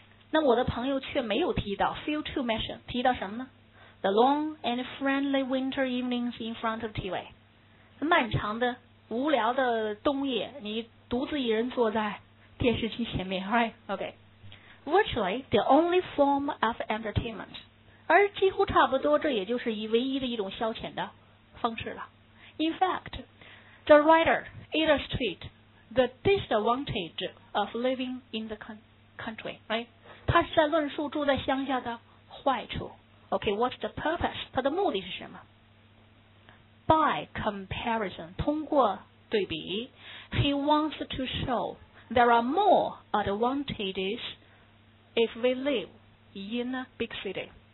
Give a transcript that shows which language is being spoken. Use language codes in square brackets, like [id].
[zh] 那我的朋友却没有提到 [en] fail to mention， [zh] 提到什么呢 [en] ？The long and friendly winter evenings in front of the TV. [zh] 漫长的无聊的冬夜，你独自一人坐在电视机前面 ，right? [en] Okay. Virtually the only form of entertainment. [zh] 而几乎差不多这也就是以唯一的一种消遣的方式了。 [en] In fact, the writer illustrates the disadvantage of living in the country, right? [zh] 他是在论述住在乡下的坏处。 [en] Okay, what's the purpose? [zh] 他的目的是什么 [en] ?By comparison, [zh] 通过对比 [en] he wants to show there are more advantages,If we live in a big city.